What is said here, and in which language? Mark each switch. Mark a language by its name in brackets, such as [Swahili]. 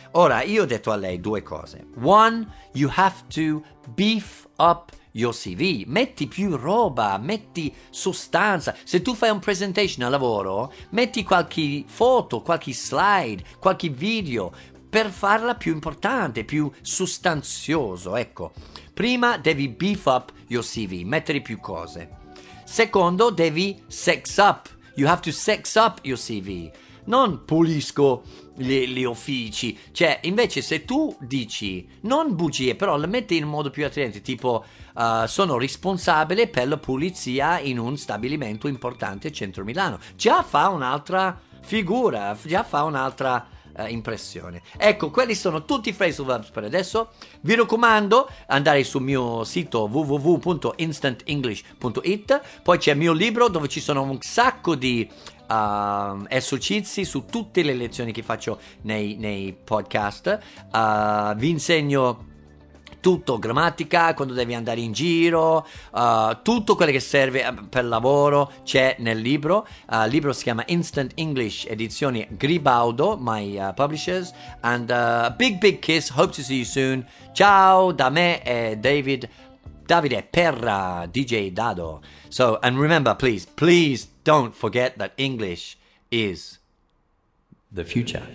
[Italian] Ora, io ho detto a lei due cose. [English] One, you have to beef up your CV, [Italian] metti più roba, metti sostanza. Se tu fai un presentation al lavoro, metti qualche foto, qualche slide, qualche video per farla più importante, più sostanzioso. Ecco, prima devi [English] beef up your CV, [Italian] mettere più cose. Secondo, devi sex up, [English] you have to sex up your CV. [Italian] Non pulisco gli uffici. Cioè, invece, se tu dici, non bugie, però le metti in modo più attraente, tipo, sono responsabile per la pulizia in un stabilimento importante a centro Milano. Già fa un'altra figura, già fa un'altra impressione. Ecco, quelli sono tutti i phrasal verbs per adesso. Vi raccomando, andare sul mio sito www.instantenglish.it. Poi c'è il mio libro dove ci sono un sacco di esercizi su tutte le lezioni che faccio nei podcast. Vi insegno tutto, grammatica, quando devi andare in giro, tutto quello che serve per lavoro c'è nel libro. Il libro si chiama Instant English, edizione Gribaudo, [English] my publishers. And a big, big kiss, hope to see you soon. [Italian] Ciao da me e [English] Davide Perra, DJ Dado. So, and remember, please, please don't forget that English is the future.